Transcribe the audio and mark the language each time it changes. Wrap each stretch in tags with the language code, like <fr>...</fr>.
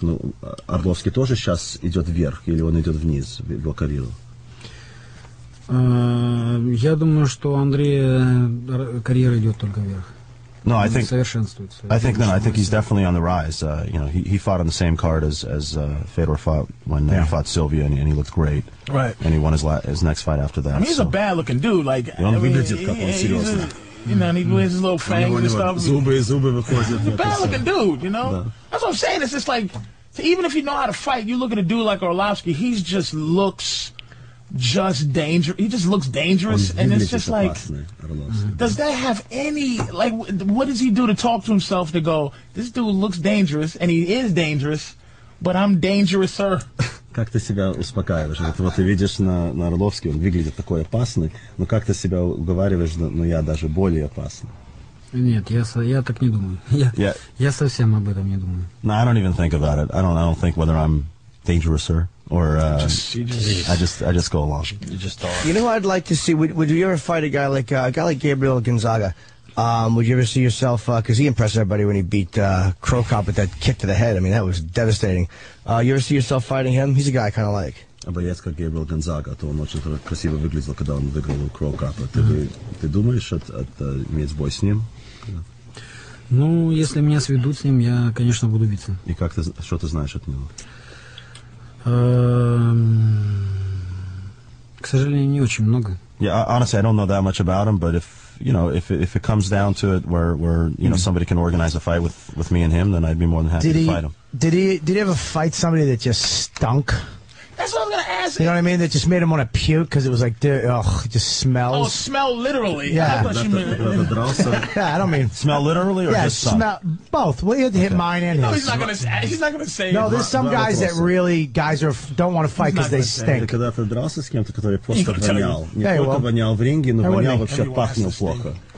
<ru>Ну, Arlovsky тоже сейчас идет вверх, или он идет вниз в его карьеру? Я думаю, что Андрей карьера идет только вверх.</ru> <en>No, I think he's definitely on the rise. You know, he fought on the same card as Fedor fought when he fought Silvia, and he looked great. Right. And he won his next fight after that. I mean, he's a bad looking dude. Like, I mean, he's you know, and he wears his little fangs and stuff. Zuby before. He's a bad looking dude. You know, that's what I'm saying. It's just like, even if you know how to fight, you look at a dude like Orlovsky, he's just looks. Just dangerous. He just looks dangerous, and it's just like, does that have any, like, what does he do to talk to himself to go, this dude looks dangerous, and he is dangerous, but I'm dangerous, sir.</en> <ru>Как ты себя успокаиваешь? Вот, вот ты видишь на Орловске, он выглядит такой опасный, но как ты себя уговариваешь, ну, я даже более опасный? Нет, я так не думаю. Я совсем об этом не думаю.</ru> <en>No, I don't even think about it. I don't think whether I'm dangerous, sir. Or I just go along. You just talk. You know what I'd like to see? Would you ever fight a guy like Gabriel Gonzaga? Would you ever see yourself? Because he impressed everybody when he beat Krokop with that kick to the head. I mean, that was devastating. You ever see yourself fighting him? He's a guy I kind of like.</en> <ru>А боец как Габриэль Гонзага, то он очень красиво выглядел, когда он выиграл Крокапа. Ты думаешь от иметь бой с ним? Ну, если меня сведут с ним, я, конечно, буду биться. И как ты, что ты знаешь от него? К сожалению, не очень много.</ru> <en>Yeah, honestly, I don't know that much about him, but if it comes down to it where you know, somebody can organize a fight with me and him, then I'd be more than happy to fight him. Did he ever fight somebody that just stunk? That's what I'm going to ask. You know what I mean? That just made him want to puke because it was like, it just smells. Oh, smell literally. Yeah. I thought you meant. Yeah, I don't mean. Smell literally or yeah, just suck? Smell both. Well, you had to hit mine and his. No, he's not going to say. No, there's some guys that really, guys are don't want to fight because they stink.</en> <ru>Ты когда-то дрался с кем-то, который просто вонял. Не только вонял в ринге, но вонял вообще пахнул плохо.</ru>